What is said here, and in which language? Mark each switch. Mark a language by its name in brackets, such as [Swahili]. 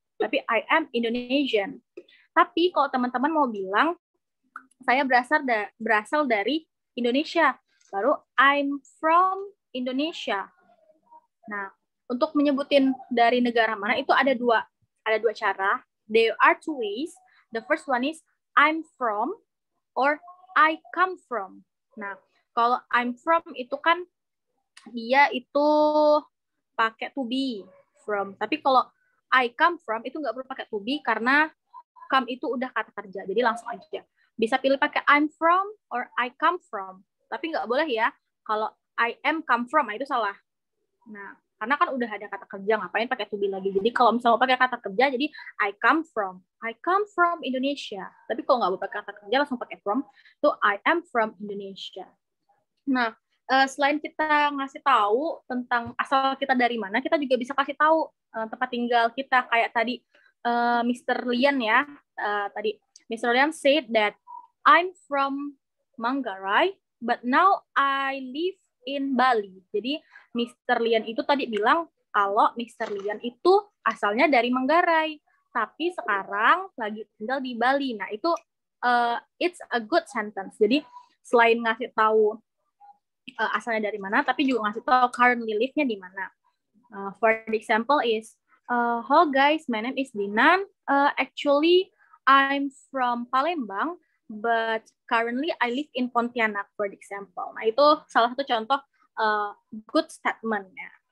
[Indonesian] Tapi [English] I am Indonesian. [Indonesian] Tapi kalau teman-teman mau bilang, saya berasal dari Indonesia. Baru [English] I'm from Indonesia. [Indonesian] Nah, untuk menyebutin dari negara mana, itu ada dua cara. [English] There are two ways. The first one is I'm from or I come from. [Indonesian] Nah, kalau [English] I'm from [Indonesian] itu kan dia itu pakai [English] to be from. [Indonesian] Tapi kalau [English] I come from [Indonesian] itu nggak perlu pakai [English] to be [Indonesian] karena come itu udah kata kerja. Jadi langsung aja. Bisa pilih pakai [English] I'm from or I come from. [Indonesian] Tapi nggak boleh ya kalau [English] I am come from, [Indonesian] itu salah. Nah, karena kan udah ada kata kerja, ngapain pakai [English] to be [Indonesian] lagi. Jadi kalau misalnya pakai kata kerja, jadi [English] I come from Indonesia. [Indonesian] Tapi kalau nggak pakai kata kerja, langsung pakai from, itu [English] I am from Indonesia. [Indonesian] Nah, selain kita ngasih tahu tentang asal kita dari mana, kita juga bisa kasih tahu tempat tinggal kita. Kayak tadi Mr. Lian ya, tadi Mr. [English] Lian said that I'm from Manggarai, but now I live in Bali. [Indonesian] Jadi Mr. Lian itu tadi bilang kalau Mr. Lian itu asalnya dari Manggarai, tapi sekarang lagi tinggal di Bali. Nah, itu [English] it's a good sentence. [Indonesian] Jadi selain ngasih tahu asalnya dari mana, tapi juga ngasih tahu [English] currently live- [Indonesian] nya di mana. [English] For example is hello guys, my name is Dinan. Actually I'm from Palembang, but currently I live in Pontianak, for example. [Indonesian] Nah, itu salah satu contoh [English] good statement- [Indonesian] nya.